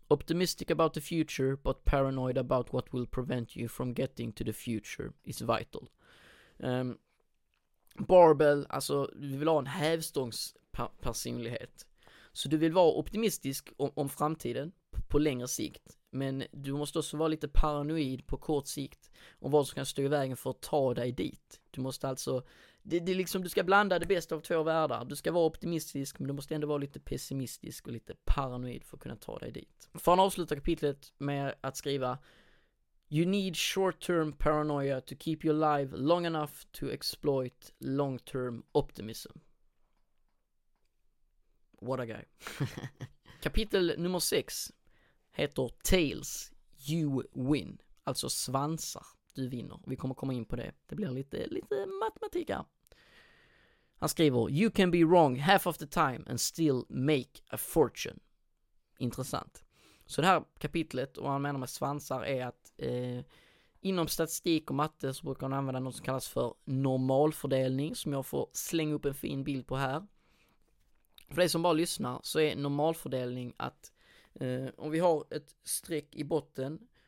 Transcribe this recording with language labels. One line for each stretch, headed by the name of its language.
English: Optimistic about the future, but paranoid about what will prevent you from getting to the future is vital."
Swedish: Barbell, alltså du vill ha en hävstångspersonlighet. Så du vill vara optimistisk om framtiden på längre sikt, men du måste också vara lite paranoid på kort sikt om vad som kan stå i vägen för att ta dig dit. Du måste alltså, det är liksom, du ska blanda det bästa av två världar. Du ska vara optimistisk, men du måste ändå vara lite pessimistisk och lite paranoid för att kunna ta dig dit. För att avsluta kapitlet med att skriva:
English: "You need short-term paranoia to keep you alive long enough to exploit long-term optimism." What a guy.
Swedish: Kapitel nummer 6 heter Tails, You Win. Alltså svansar, du vinner. Vi kommer komma in på det. Det blir lite matematik här. Han skriver:
English: "You can be wrong half of the time and still make a fortune."
Swedish: Intressant. Så det här kapitlet, och han menar med svansar, är att inom statistik och matte så brukar man använda något som kallas för normalfördelning, som jag får slänga upp en fin bild på här. För dig som bara lyssnar, så är normalfördelning att om vi har ett streck i botten